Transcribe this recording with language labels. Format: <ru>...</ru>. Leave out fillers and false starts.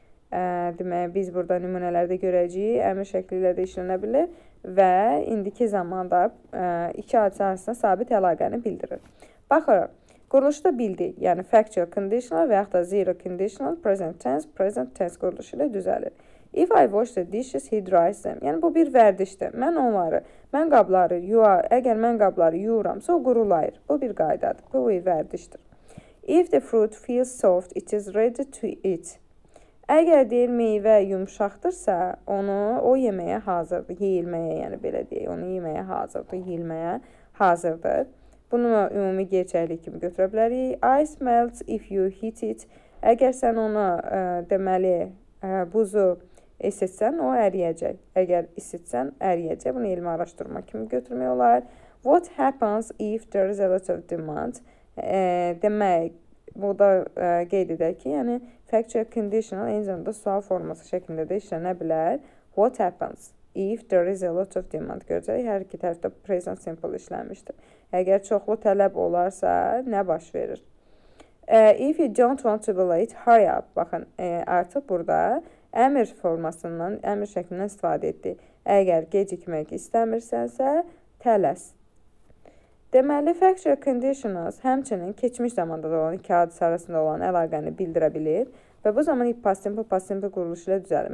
<az>Demək, biz burada nümunələrdə görəcəyik, əmr şəkli ilə də işlənə bilir və indiki zamanda iki hadisə arasında sabit əlaqəni bildirir. Baxıram, quruluşda bildik, yəni factual conditional və yaxud da zero conditional, present tense quruluşu ilə düzəlir.</az> <en>If I wash the dishes, he dries them.</en> <az>Yəni, bu bir vərdişdir. Əgər mən qabları yuyuramsa, o qurulayır. Bu bir qaydadır, bu bir vərdişdir.</az> <en>If the fruit feels soft, it is ready to eat.</en> <az>Əgər deyil, meyvə yumşaqdırsa, onu o yeməyə hazırdır, yeyilməyə, yəni belə deyək, onu yeməyə hazırdır, yeyilməyə hazırdır. Bunu ümumi gerçəklik kimi götürə bilərik.</az> <en>Ice melts if you heat it.</en> <az>Əgər sən onu, deməli, buzu isitsən, o əriyəcək. Əgər isitsən, əriyəcək. Bunu elmi araşdırma kimi götürmək olar.</az> <en>What happens if there is a lot of demand?</en> <az>Demək, bu da qeyd edək ki, yəni, factual conditional eyni zamanda sual forması şəklində də işlənə bilər.</az> <en>What happens if there is a lot of demand?</en> <az>Görəcək, hər iki tərəfdə present simple işlənmişdir. Əgər çoxlu tələb olarsa, nə baş verir?</az> <en>If you don't want to be late, hurry up.</en> <az>Baxın, artıq burada əmr formasından, əmr şəklindən istifadə etdi. Əgər gecikmək istəmirsənsə, tələs. Deməli, factual conditionals həmçinin keçmiş zamanda da olan iki hadisə arasında olan əlaqəni bildirə bilir və bu zaman if past simple, past simple quruluşu ilə düzəlir.</az>